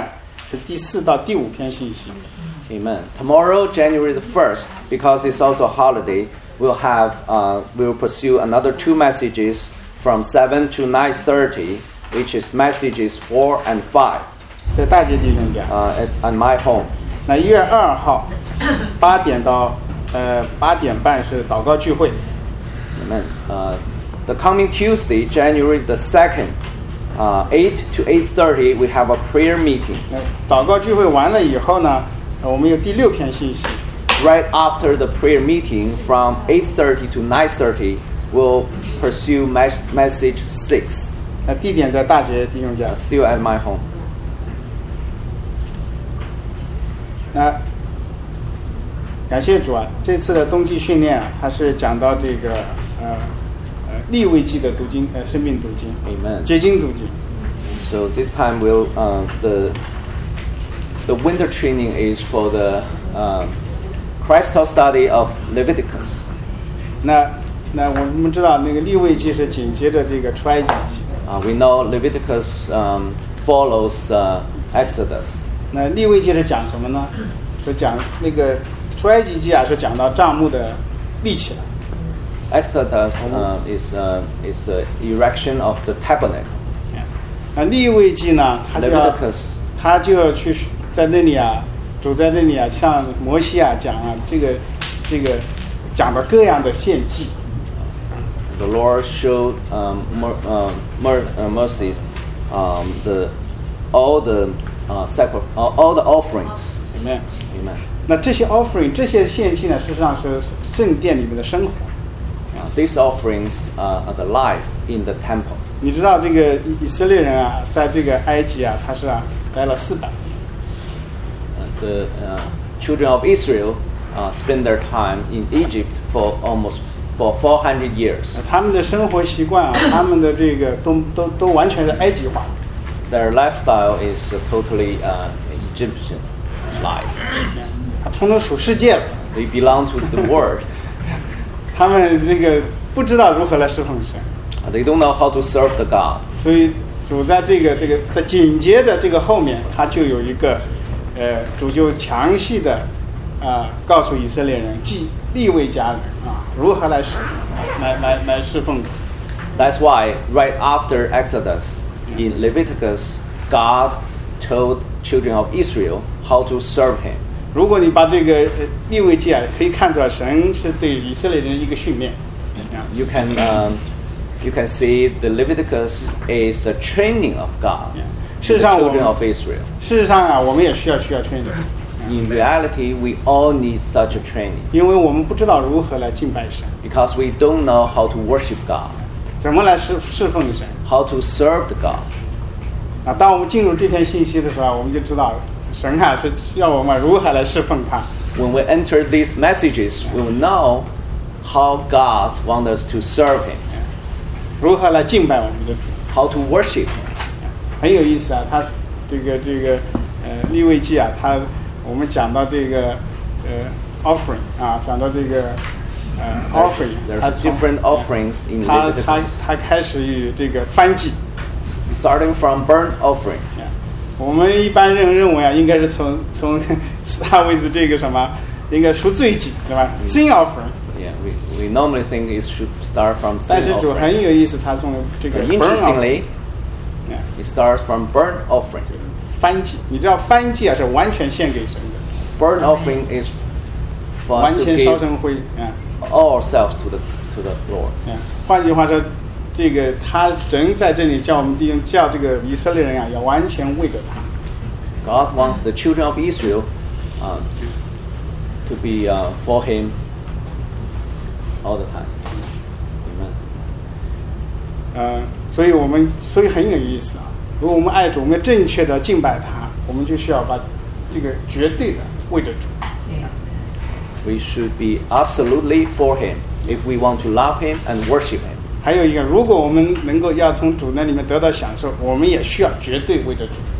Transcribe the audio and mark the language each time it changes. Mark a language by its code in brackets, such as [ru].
[zh] 那明天礼拜一7点到9点半是第四到第五篇信息。Amen. [en] Tomorrow, January the 1st, because it's also holiday, we'll have we'll pursue another two messages from 7 to 9:30, which is messages 4 and 5. [zh] 在大街弟兄家。 [en] At my home. [zh] 那1月2号8点到8点半是祷告聚会。Amen. [en] The coming Tuesday, January the 2nd, 8 to 8:30, we have a prayer meeting. [zh] 祷告聚会完了以后呢，我们有第六篇信息。 [en] Right after the prayer meeting, from 8:30 to 9:30, we'll pursue message 6. [zh] 那地点在大学弟兄家。 [en] Still at my home. [zh] 感谢主啊，这次的冬季训练啊，它是讲到这个利未记的读经，生命读经，结晶读经。 [en] So this time we'll the winter training is for the Christal study of Leviticus. [zh] 那我们知道那个利未记是紧接着这个出埃及记。 [en] We know Leviticus follows Exodus. [zh] 那利未记是讲什么呢？是讲那个出埃及记啊，是讲到帐幕的立起来。 [en] Exodus is the erection of the tabernacle. [zh] 那利未记呢？他就要去在那里啊，主在那里啊，向摩西啊讲啊，这个讲的各样的献祭。 [en] The Lord showed Moses all the offerings. Amen. Amen. [zh] 那这些 offering 这些献祭呢，事实上是圣殿里面的生活。 [en] These offerings are the life in the temple. [zh] 你知道这个以色列人啊，在这个埃及啊，他是啊待了400年。 [en] The children of Israel spend their time in Egypt for almost for 400 years. [zh] 他们的生活习惯啊，他们的这个都完全是埃及化。 [en] Their lifestyle is totally Egyptian life. [zh] 他通通属世界了。 [en] They belong to the world. [zh] 他们这个不知道如何来侍奉神。 [en] They don't know how to serve the God. [zh] 所以主在这个在紧接着这个后面，他就有一个。主就详细的告诉以色列人，即利未家人如何来侍奉。 [en] That's why right after Exodus, in Leviticus, God told children of Israel how to serve Him. [zh] 如果你把这个利未记可以看出来，神是对以色列人一个训练。 [en] You can see the Leviticus is a training of God. Yeah. [zh] 事实上啊，我们也需要 training。 [en] In reality, we all need such a training. [zh] 因为我们不知道如何来敬拜神。 [en] Because we don't know how to worship God. [zh] 怎么来侍奉神 [en] ？How to serve the God？ [zh] 啊，当我们进入这篇信息的时候，我们就知道神啊是要我们如何来侍奉他。 [en] When we enter these messages, we will know how God wants us to serve Him. [zh] 如何来敬拜我们的主 [en] ？How to worship？ [zh] 很有意思啊，他这个利未记啊，他我们讲到这个offering 啊，讲到这个offering， 他 [en] different offerings in Leviticus， [zh] 他开始与这个燔祭 [en] ，starting from burnt offering。 [zh] 我们一般认为啊，应该是从 [en] start with [zh] 这个什么，应该赎罪祭对吧 ？ [en] Sin offering。 Yeah， we normally think it should start from sin offering。 [zh] 但是主很有意思，他从这个 [en] interestingly。 It starts from burnt offering. [zh] 燔祭，你知道燔祭啊是完全献给神的。 [en] Burnt offering is for us [zh] 完全烧成灰。 [en] Ourselves to the Lord. [zh] 换句话说，这个他人在这里叫我们弟兄叫这个以色列人啊，要完全为着他。 [en] God wants the children of Israel, to be for Him all the time. Amen. [zh] 所以很有意思啊。如果我们爱主，我们正确的敬拜他，我们就需要把这个绝对的为着主。 [en] We should be absolutely for him if we want to love him and worship him. [zh] 还有一个，如果我们能够要从主那里面得到享受，我们也需要绝对为着主。